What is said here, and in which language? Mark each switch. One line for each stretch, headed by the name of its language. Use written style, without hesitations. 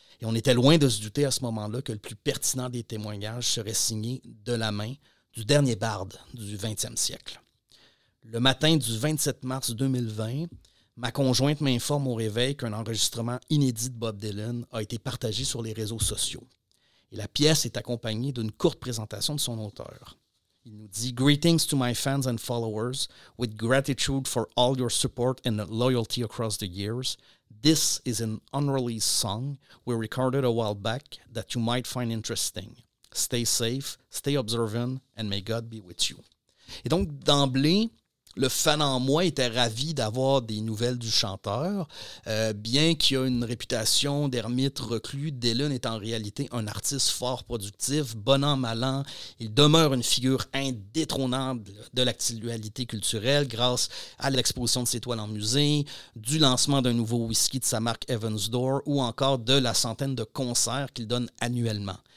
French: Et on était loin de se douter à ce moment-là que le plus pertinent des témoignages serait signé de la main du dernier barde du 20e siècle. Le matin du 27 mars 2020, ma conjointe m'informe au réveil qu'un enregistrement inédit de Bob Dylan a été partagé sur les réseaux sociaux. Et la pièce est accompagnée d'une courte présentation de son auteur. Il nous dit
English: « Greetings to my fans and followers, with gratitude for all your support and loyalty across the years. » This is an unreleased song we recorded a while back that you might find interesting. Stay safe, stay observant, and may God be with you.
French: Et donc, d'emblée, le fan en moi était ravi d'avoir des nouvelles du chanteur. Bien qu'il ait une réputation d'ermite reclus, Dylan est en réalité un artiste fort productif, bon an, mal an. Il demeure une figure indétrônable de l'actualité culturelle grâce à l'exposition de ses toiles en musée, du lancement d'un nouveau whisky de sa marque Evans Door ou encore de la centaine de concerts qu'il donne annuellement.